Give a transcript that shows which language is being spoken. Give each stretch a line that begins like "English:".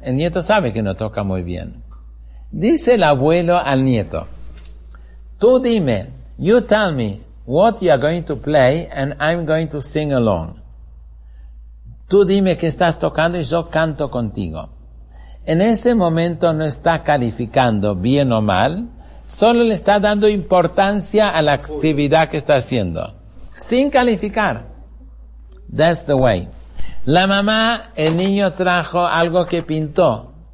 Spanish: El nieto sabe que no toca muy bien. Dice el abuelo al nieto, tú dime,
English: you tell me what you are going to play and I'm going to sing along.
Spanish: Tú dime qué estás tocando y yo canto contigo. En ese momento no está calificando bien o mal, solo le está dando importancia a la actividad que está haciendo. Sin calificar.
English: That's the way.
Spanish: La mamá, el niño trajo algo que pintó.